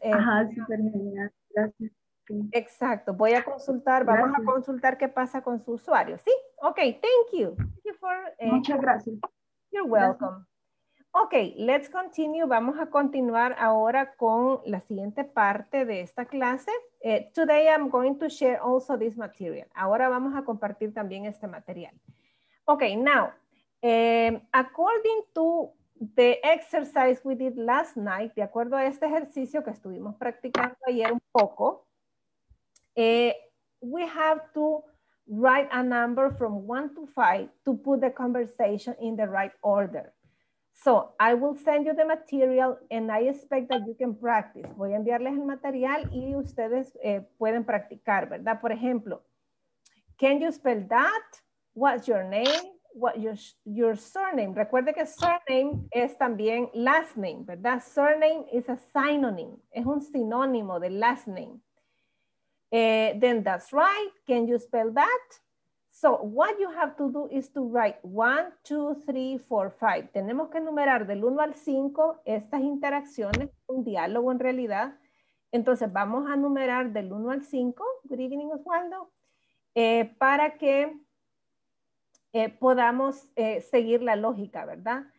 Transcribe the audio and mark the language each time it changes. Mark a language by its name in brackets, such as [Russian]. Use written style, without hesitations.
[Spanish] Ajá, súper genial. Gracias. Exacto. Voy a consultar, gracias. Vamos a consultar qué pasa con su usuario. [English] Sí. Ok, thank you. Thank you for, [Spanish] muchas gracias. [English] You're welcome. Gracias. Ok, let's continue. [Spanish] Vamos a continuar ahora con la siguiente parte de esta clase. [English] Today I'm going to share also this material. [Spanish] Ahora vamos a compartir también este material. [English] Ok, now, according to the exercise we did last night, [Spanish] de acuerdo a este ejercicio que estuvimos practicando ayer un poco, [English] we have to write a number from 1 to 5 to put the conversation in the right order. So, I will send you the material and I expect that you can practice. [Spanish] Voy a enviarles el material y ustedes pueden practicar, ¿verdad? Por ejemplo, [English] can you spell that? What's your name? What's your surname? [Spanish] Recuerde que surname es también last name, ¿verdad? [English] Surname is a synonym, [Spanish] es un sinónimo de [English] last name. Then that's right, can you spell that? So what you have to do is to write 1, 2, 3, 4, 5. [Spanish] Tenemos que numerar del 1 al 5 estas interacciones, un diálogo en realidad. Entonces vamos a numerar del 1 al 5, [English] good evening [Spanish] Oswaldo, para que podamos seguir la lógica, ¿verdad?